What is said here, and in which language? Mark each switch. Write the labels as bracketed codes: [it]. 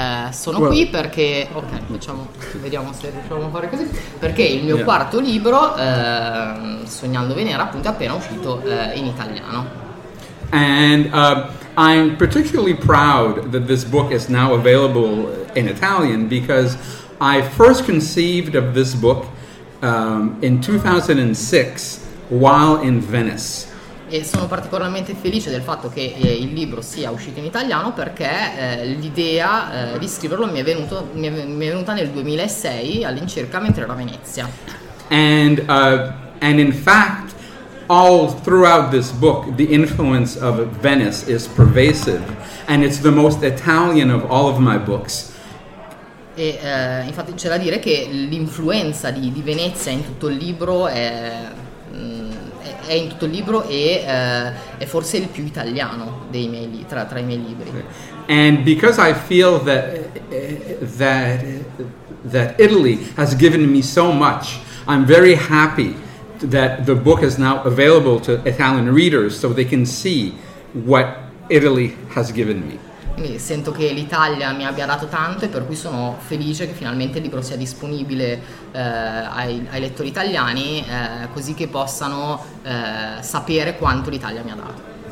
[it] Sono qui perché, ok, vediamo se riusciamo a fare così, perché il mio quarto libro, Sognando Venera, appunto, è appena uscito in italiano. [en] And I'm particularly proud that this book is now available in Italian, because I first conceived of this book in 2006 while in Venice. [it] E sono particolarmente felice del fatto che il libro sia uscito in italiano, perché l'idea di scriverlo mi è venuta nel 2006 all'incirca, mentre ero a Venezia. [en] And in fact, all throughout this book, the influence of Venice is pervasive, and it's the most Italian of all of my books. [it] E infatti c'è da dire che l'influenza di Venezia in tutto il libro è in tutto il libro e è forse il più italiano dei miei tra i miei libri. [en] And because I feel that Italy has given me so much, I'm very happy that the book is now available to Italian readers so they can see what Italy has given me. [it] Quindi sento che l'Italia mi abbia dato tanto, e per cui sono felice che finalmente il libro sia disponibile ai lettori italiani, così che possano sapere quanto l'Italia mi ha dato.